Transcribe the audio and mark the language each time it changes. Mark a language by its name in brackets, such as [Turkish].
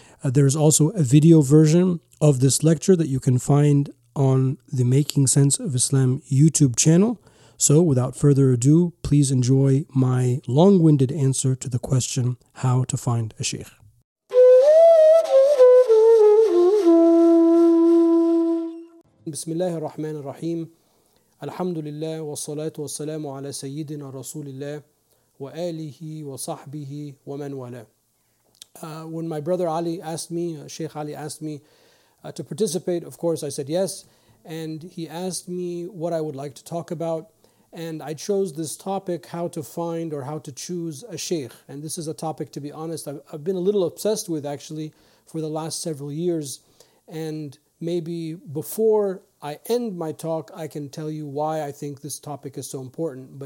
[English] There is also a video version of this lecture that you can find on the Making Sense of Islam YouTube channel. So without further ado, please enjoy my long-winded answer to the question, how to find a sheikh. [Arabic] بسم الله الرحمن الرحيم الحمد لله والصلاة والسلام على سيدنا رسول الله وآله وصحبه ومن والاه. [English] When my brother Ali asked me, Sheikh Ali asked me to participate, of course I said yes, and he asked me what I would like to talk about, and I chose this topic, how to find or how to choose a sheikh. And this is a topic, to be honest, I've been a little obsessed with actually for the last several years, and maybe before I end my talk, I can tell you why I think this topic is so important.